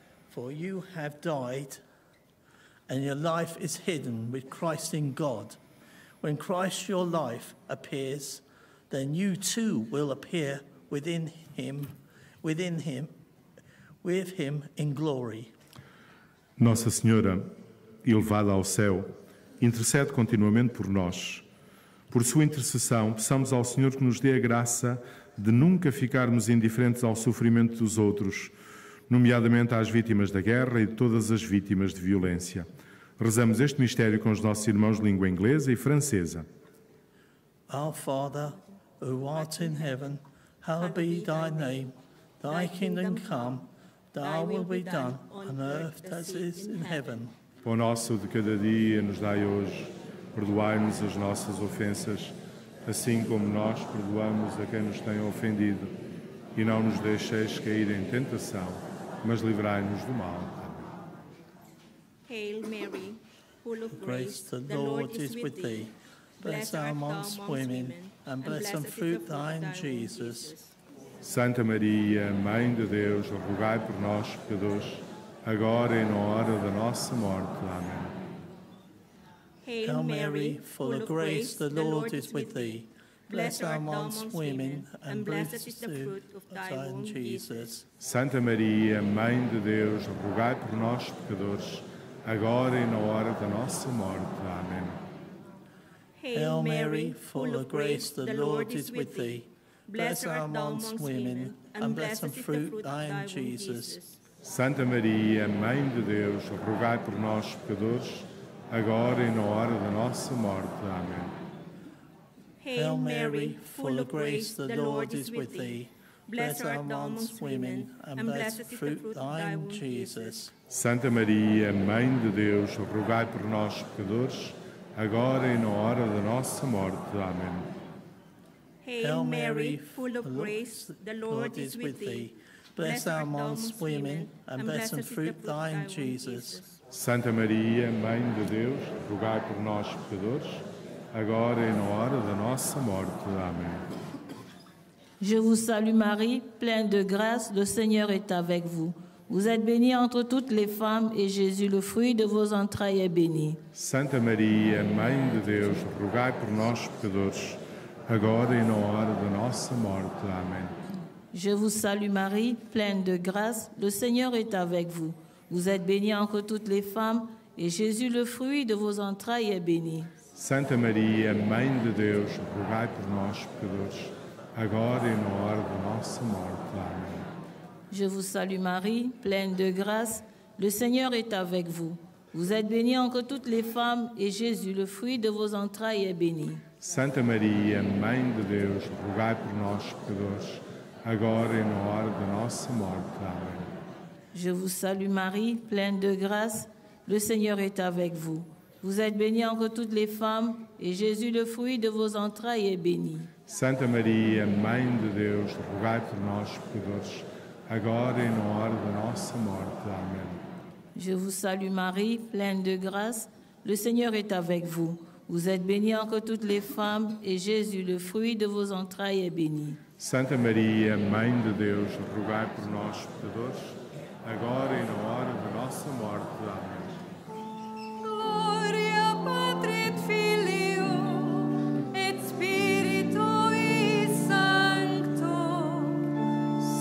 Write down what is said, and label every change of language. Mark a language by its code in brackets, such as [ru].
[en] For you have died, and your life is hidden with Christ in God. When Christ, your life, appears, then you too will appear with him in glory. [pt] Nossa Senhora, elevada ao céu, intercede continuamente por nós. Por sua intercessão, peçamos ao Senhor que nos dê a graça de nunca ficarmos indiferentes ao sofrimento dos outros, nomeadamente às vítimas da guerra e de todas as vítimas de violência. Rezamos este mistério com os nossos irmãos de língua inglesa e francesa. [en] Our Father, who art in heaven, hallowed be thy name. Thy kingdom come, thy will be done, on earth as it is in heaven. [pt] Pão nosso de cada dia nos dai hoje. Perdoai-nos as nossas ofensas, assim como nós perdoamos a quem nos tem ofendido. E não nos deixeis cair em tentação, mas livrai-nos do mal. Amém. [en] Hail Mary, full of grace, the Lord is with thee. Blessed art thou amongst women, and blessed the fruit of thy womb, Jesus. [pt] Santa Maria, Mãe de Deus, rogai por nós, pecadores, agora e na hora da nossa morte. Amém. [en] Hail Mary, full of grace, the Lord is with thee. Blessed art thou amongst women, and blessed is the fruit of thy womb, Jesus. [pt] Santa Maria, Mãe de Deus, rogai por nós, pecadores, agora e na hora da nossa morte. Amém. [en] Hail Mary, full of grace, the Lord is with thee. Blessed art thou amongst women, and blessed is the fruit of thy womb, Jesus. [pt] Santa Maria, Mãe de Deus, rogai por nós, pecadores, agora e na hora da nossa morte. Amém. [en] Hail Mary, full of grace, the Lord is with thee. Blessed art thou amongst women, and blessed is the fruit of thy womb, Jesus. [pt] Santa Maria, Mãe de Deus, rogai por nós, pecadores, agora e na hora da nossa morte. Amém. [en] Hail Mary, full of grace, the Lord is with thee. Blessed art thou amongst women, and blessed is the fruit of thy womb, Jesus. [pt] Santa Maria, Mãe de Deus, rogai por nós, pecadores, agora e na hora da nossa morte. Amém. [fr] Je vous salue, Marie, pleine de grâce, le Seigneur est avec vous. Vous êtes bénie entre toutes les femmes, et Jésus, le fruit de vos entrailles, est béni. [pt] Santa Maria, Mãe de Deus, rogai por nós, pecadores, agora e na hora da nossa morte. Amém. [fr] Je vous salue, Marie, pleine de grâce, le Seigneur est avec vous. Vous êtes bénie entre toutes les femmes, et Jésus, le fruit de vos entrailles, est béni. [pt] Santa Maria, Mãe de Deus, rogai por nós, pecadores, agora e na hora da nossa morte. Amém. [fr] Je vous salue, Marie, pleine de grâce. Le Seigneur est avec vous. Vous êtes bénie entre toutes les femmes, et Jésus, le fruit de vos entrailles, est béni. [pt] Santa Maria, Mãe de Deus, rogai por nós, pecadores, agora e na hora da nossa morte. Amém. [fr] Je vous salue, Marie, pleine de grâce. Le Seigneur est avec vous. Vous êtes bénie entre toutes les femmes, et Jésus, le fruit de vos entrailles, est béni. [pt] Santa Maria, Mãe de Deus, rogai por nós, pecadores, agora e na hora da nossa morte. Amém. [fr] Je vous salue, Marie, pleine de grâce. Le Seigneur est avec vous. Vous êtes bénie entre toutes les femmes, et Jésus, le fruit de vos entrailles, est béni. [pt] Santa Maria, Mãe de Deus, rogai por nós, pecadores, agora e na hora de nossa morte. Amém.